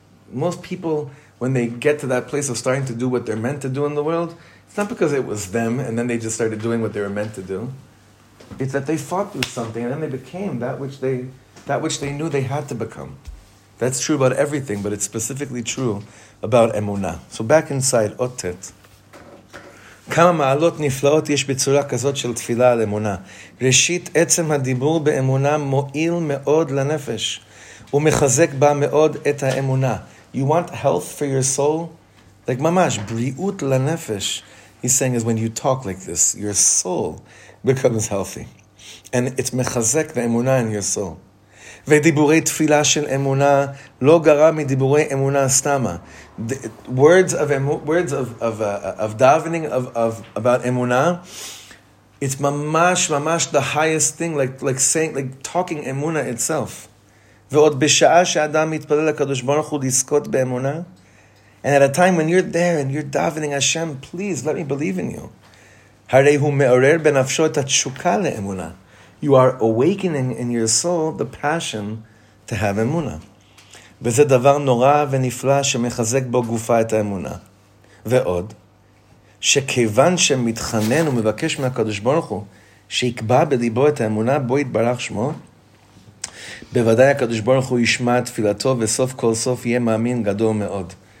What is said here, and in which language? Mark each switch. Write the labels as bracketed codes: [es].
[en] Most people, when they get to that place of starting to do what they're meant to do in the world, it's not because it was them and then they just started doing what they were meant to do. It's that they fought through something and then they became that which they knew they had to become. That's true about everything, but it's specifically true about emunah. So back inside Otet, [he] כמה מעלות נפלאות יש בצורה כזאת של תפילה על אמונה. ראשית, עצם הדיבור באמונה מועיל מאוד לנפש, ומחזק בה מאוד את האמונה. [en] You want health for your soul? Like, [he] ממש, בריאות לנפש. [en] He's saying is when you talk like this, your soul becomes healthy. [he] And it's מחזק באמונה [en] in your soul. [he] ודיבורי תפילה של אמונה לא גרה מדיבורי אמונה סתמה. [en] Words of davening about אמונה, it's ממש ממש the highest thing, like talking אמונה itself. [he] ועוד בשעה שאדם מתפלל לקדוש ברוך הוא לזכות באמונה, [en] and at a time when you're there and you're davening, Hashem, please let me believe in you. [he] הרי הוא מעורר בנפשו את התשוקה לאמונה. [en] You are awakening in your soul the passion to have emuna. [he] וזה דבר נורא ונפלא שמחזק בו גופה את האמונה. ועוד, שכיוון שמתחנן ומבקש מהקדוש ברוך הוא שיקבע בליבו את האמונה בו יתברך שמו, בוודאי הקדוש ברוך הוא ישמע תפילתו וסוף כל סוף יהיה מאמין גדול מאוד.